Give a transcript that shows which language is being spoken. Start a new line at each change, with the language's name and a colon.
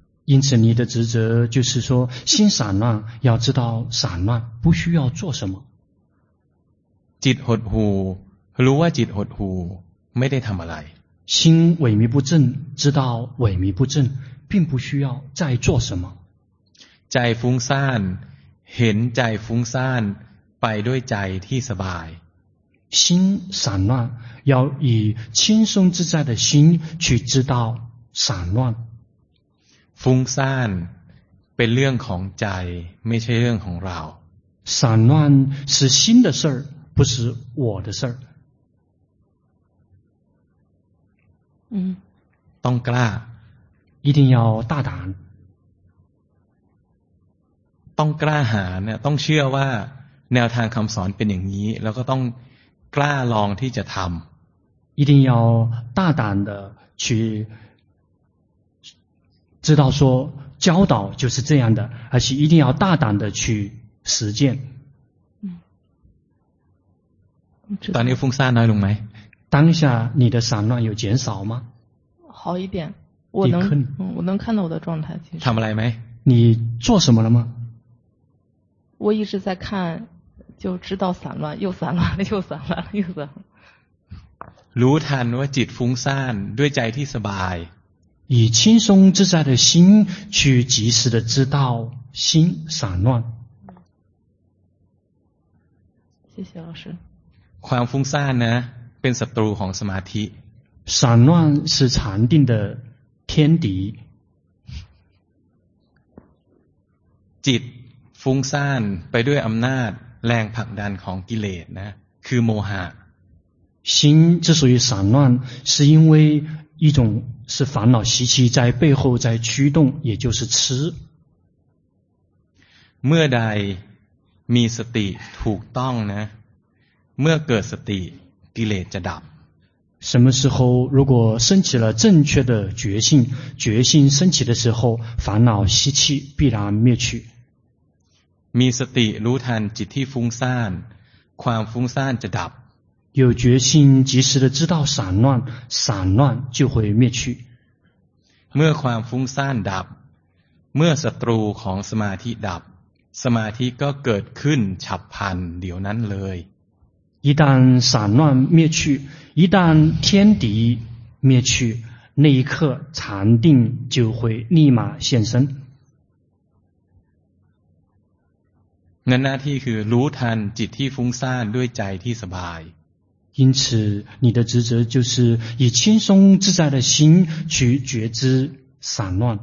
Chinese: 因此你的职责就是说心散乱要知道散乱不需要做什么
Thai: จิตหดหูรู้ว่าจิตหดหูไม่ได้ทำอะไร
Chinese: 心萎靡不振知道萎靡不振并不需要再做什么
Thai: ใจฟุ้งซ่านเห็นใจฟุ้งซ่านไปด้วยใจที่สบาย
Chinese: 心散乱要以轻松自在的心去知道散乱
Thai: ฟุ้งซ่านเป็นเรื่องของใจไม่ใช่เรื่องของเรา
Chinese: 散乱是心的事不是我的事
Thai: ต้องกล้า
Chinese: 一定要大胆
Thai: ต้องกล้าหาเนี่ยต้องเชื่อว่าแนวทางคำสอนเป็นอย่างนี้แล้วก็ต้องกล้าลองที่จะทำ
Chinese: 一定要大胆的去知道说教导就是这样的，而且一定要大胆的去实践。
Thai: ตอนนี้ฟุ้งซ่านน้อยลงไหม
Chinese: 当下你的散乱有减少吗好一点我能我能看到我的状态其实
Thai: ทำอะไรไหม
Chinese: 你做什么了吗我一直在看就知道散乱又散乱了又散乱了又散乱
Thai: รู้ทันว่าจิตฟุ้งซ่านด้วยใจที่สบาย
Chinese: 以轻松自在的心去及时的知道心散乱谢谢老师
Thai: ความฟุ้งซ่านนะเป็นศัตรูของสมาธิ
Chinese: 散乱是禅定的天敌
Thai: จิตฟุ้งซ่านไปด้วยอำนาจแรงผลักดันของกิเลสนะคือโมหะ
Chinese: 心之所以散乱是因为一种是烦恼习气在背后在驱动也就是痴
Thai: เมื่อใดมีสติถูกต้องนะเมื่อเกิดสติกิเลสจะดับ
Chinese: 什么时候如果升起了正确的觉性觉性升起的时候烦恼习气必然灭去
Thai: มีสติรู้ทันจิตที่ฟุ้งซ่านความฟุ้งซ่านจะดับ
Chinese: 有觉性及时的知道散乱散乱就会灭去
Thai: เมื่อความฟุ้งซ่านดับเมื่อศัตรูของสมาธิดับสมาธิก็เกิดขึ้นฉับพลันเดี๋ยวนั้นเลย
Chinese: 一旦散乱灭去，一旦天敌灭去，那一刻禅定就会立马现身。
Thai: 那หน้าที่คือรู้ทันจิตที่ฟุ้งซ่านด้วยใจที่สบาย。
Chinese: 因此，你的职责就是以轻松自在的心去觉知散乱。